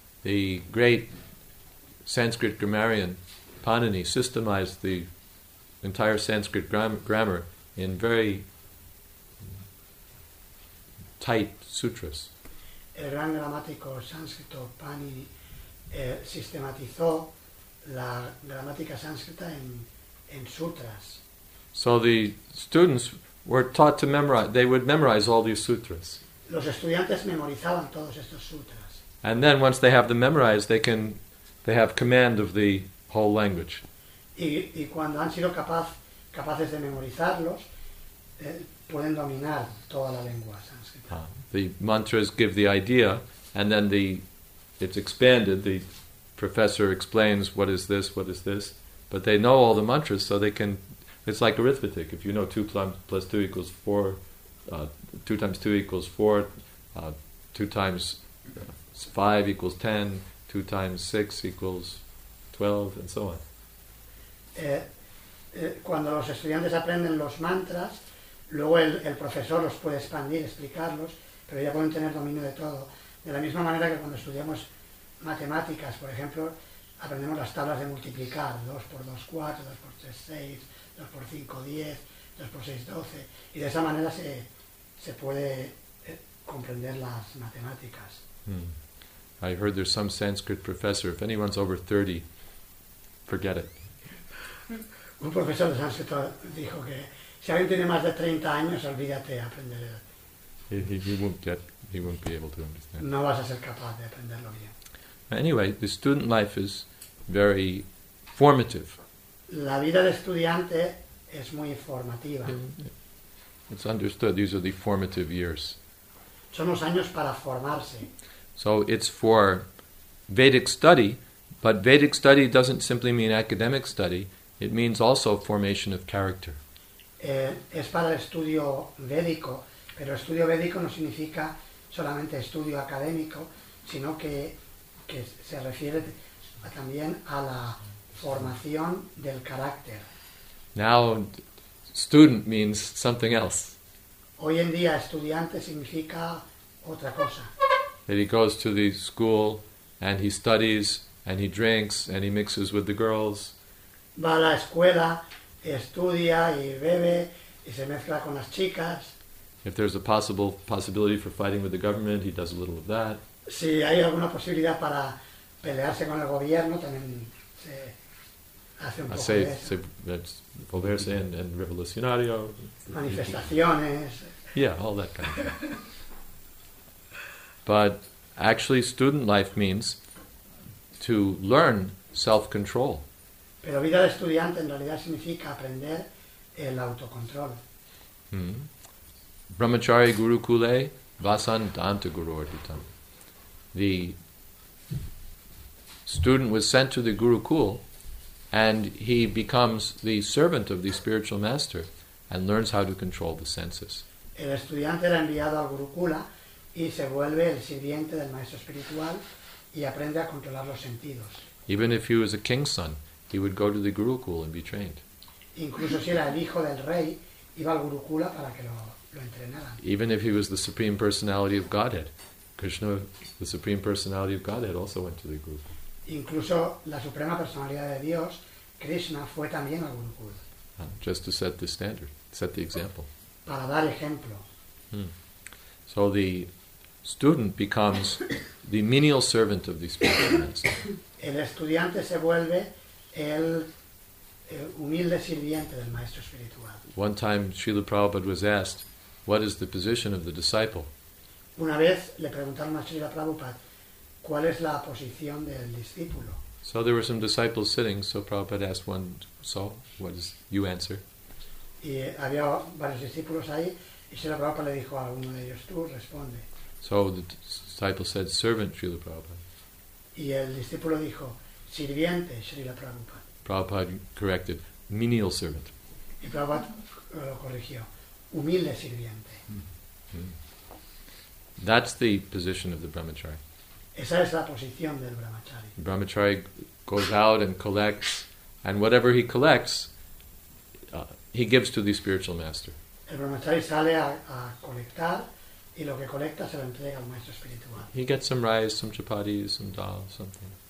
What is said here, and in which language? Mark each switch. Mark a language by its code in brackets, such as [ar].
[en] The great Sanskrit grammarian Panini systemized the entire Sanskrit grammar in very tight sutras. [es] El gran gramático sánscrito Panini sistematizó la gramática sánscrita en sutras. [en] So the students were taught to memorize, they would memorize all these sutras. [es] Los estudiantes memorizaban todos estos sutras. [en] And then once they have them memorized, they have command of the whole language. [es] Y cuando han sido capaces de memorizarlos, pueden dominar toda la lengua sánscrita. [en] The mantras give the idea, and then it's expanded, the professor explains what is this, but they know all the mantras, so they can. It's like arithmetic. If you know 2 plus 2 equals 4, 2 times 2 equals 4, 2 times 5 equals 10, 2 times 6 equals 12, and so on. [es] Cuando los estudiantes aprenden los mantras, luego el profesor los puede expandir, explicarlos, pero ya pueden tener dominio de todo. De la misma manera que cuando estudiamos matemáticas, por ejemplo, aprendemos las tablas de multiplicar, 2 por 2, 4, 2 por 3, 6... 2 por 5, 10, 2 por 6, 12. Y de esa manera se puede comprender las matemáticas. [en] I heard there's some Sanskrit professor. If anyone's over 30, forget it. [es] Un profesor de Sanskrit dijo que si alguien tiene más de 30 años, olvídate de aprender. [en] He won't be able to understand. [es] No vas a ser capaz de aprenderlo bien. [en] Anyway, the student life is very formative. [es] La vida de estudiante es muy formativa. [en] It's understood these are the formative years. [es] Son los años para formarse. [en] So it's for Vedic study, but Vedic study doesn't simply mean academic study, it means also formation of character. [es] Es para el estudio védico, pero estudio védico no significa solamente estudio académico, sino que se refiere también a la formación del carácter. [en] Now, student means something else. [es] Hoy en día, estudiante significa otra cosa. [en] That he goes to the school and he studies and he drinks and he mixes with the girls. [es] Va a la escuela, estudia y bebe y se mezcla con las chicas. [en] If there's a possibility for fighting with the government, he does a little of that. [es] Si hay alguna posibilidad para pelearse con el gobierno, también se volverse and revolucionario. Manifestaciones. [en] Yeah, all that kind of thing. But actually, student life means to learn self-control. [es] Pero vida de estudiante en realidad significa aprender el autocontrol. [sa] Brahmachari Guru Kule Vasandanta Guru Arditam. [en] The student was sent to the Guru Kul. And he becomes the servant of the spiritual master and learns how to control the senses. [es] El estudiante era enviado al Gurukula y se vuelve el sirviente del maestro espiritual y aprende a controlar los sentidos. [en] Even if he was a king's son, he would go to the Gurukul and be trained. [es] Incluso si era el hijo del rey, iba al Gurukula para que lo entrenaran. [en] Even if he was the Supreme Personality of Godhead, Krishna, the Supreme Personality of Godhead, also went to the Gurukul. [es] Incluso la Suprema Personalidad de Dios, Krishna, fue también al Gurukul. [en] Just to set the standard, set the example. [es] Para dar ejemplo. [en] So the student becomes the menial servant of the spiritual master. [es] El estudiante se vuelve el humilde sirviente del maestro espiritual. [en] One time Srila Prabhupada was asked, what is the position of the disciple? [es] Una vez le preguntaron a Srila Prabhupada, ¿cuál es la posición del discípulo? [en] So there were some disciples sitting, so Prabhupada asked one, so what is you answer? [es] Y había varios discípulos ahí, y Srila Prabhupada le dijo a uno de ellos, tú responde. [en] So the disciple said, servant, Srila Prabhupada. [es] Y el discípulo dijo, sirviente, Srila Prabhupada. [en] Prabhupada corrected, menial servant. [es] Y Prabhupada lo corrigió, humilde sirviente. [en] That's the position of the brahmachari. [es] Esa es la posición del brahmachari. [en] The brahmachari goes out and collects, and whatever he collects, he gives to the spiritual master. [es] El brahmachari sale a colectar, y lo que colecta se lo entrega al maestro espiritual. [en] He gets some rice, some chapatis, some dal, something.